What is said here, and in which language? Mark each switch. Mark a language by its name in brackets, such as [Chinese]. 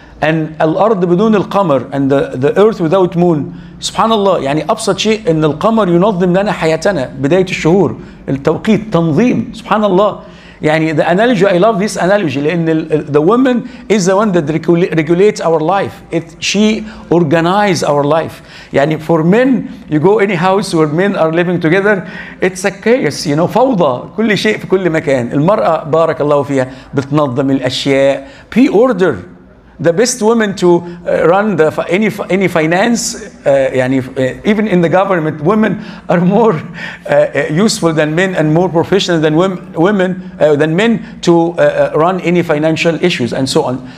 [English] And [Arabic] الأرض بدون القمر [English] and the earth without moon. [Arabic] سبحان الله. يعني أبسط شيء إن القمر ينظم لنا حياتنا بداية الشهور التوقيت تنظيم. سبحان الله. [English] يعني the analogy, I love this analogy, لأن the woman is the one that regulates our life. She organizes our life. يعني for men, you go any house where men are living together, it's a chaos, you know, فوضى. [Arabic] كل شيء في كل مكان. المرأة بارك الله فيها بتنظم الأشياء. في order. [English] The best woman to run the any finance, even in the government, women are more useful than men and more professional than men to run any financial issues and so on.